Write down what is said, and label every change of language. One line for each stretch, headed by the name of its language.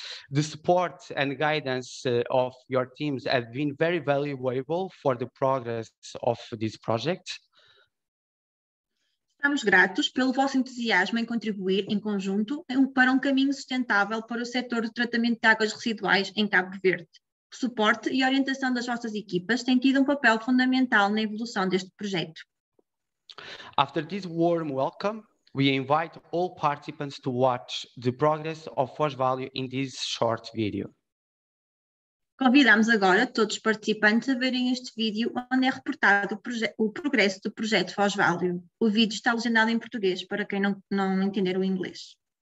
English: The support and guidance of your teams have been very valuable for the progress of this project.
Portuguese: Estamos gratos pelo vosso entusiasmo em contribuir em conjunto para um caminho sustentável para o setor do tratamento de águas residuais em Cabo Verde. O suporte e orientação das vossas equipas têm tido um papel fundamental na evolução deste projeto.
English: After this warm welcome, we invite all participants to watch the progress of Foz Valley in this short video.
Portuguese: Convidamos agora todos os participantes a verem este vídeo onde é reportado o progresso do projeto Foz Valley. O vídeo está legendado em português para quem não entender o inglês.